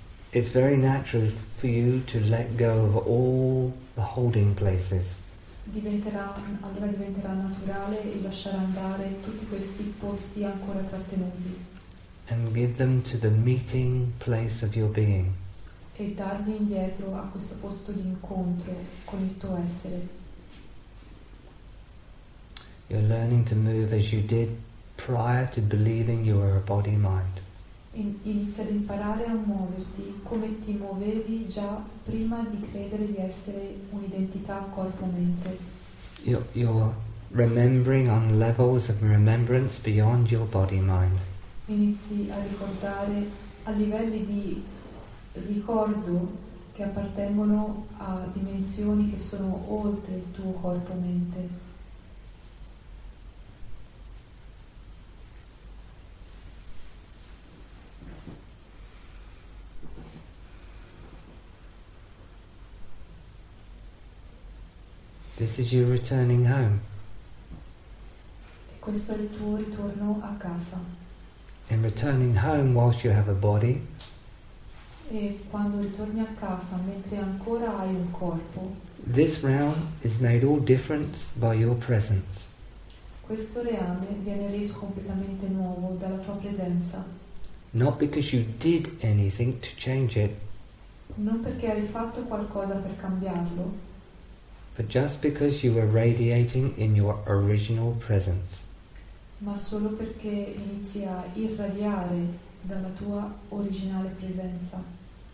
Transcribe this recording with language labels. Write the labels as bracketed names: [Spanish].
[English] It's very natural for you to let go of all the holding places. [Italian] Diventerà naturale e lasciare andare tutti questi posti ancora trattenuti. [English] And give them to the meeting place of your being. [Italian] E darli indietro a questo posto di incontro con il tuo essere. [English] You're learning to move as you did prior to believing you were a body mind. [Italian] Inizia ad imparare a muoverti come ti muovevi già prima di credere di essere un'identità corpo-mente. [English] You're remembering on levels of remembrance beyond your body-mind. [Italian] Inizi a ricordare a livelli di ricordo che appartengono a dimensioni che sono oltre il tuo corpo-mente. [English] This is you returning home. [Italian] E questo è il tuo ritorno a casa. [English] In returning home whilst you have a body. [Italian] E quando ritorni a casa mentre ancora hai un corpo. [English] This realm is made all different by your presence. [Italian] Questo reame viene reso completamente nuovo dalla tua presenza. [English] Not because you did anything to change it. [Italian] Non perché hai fatto qualcosa per cambiarlo. [English] But just because you were radiating in your original presence. [Italian] Ma solo perché inizi a irradiare dalla tua originale presenza.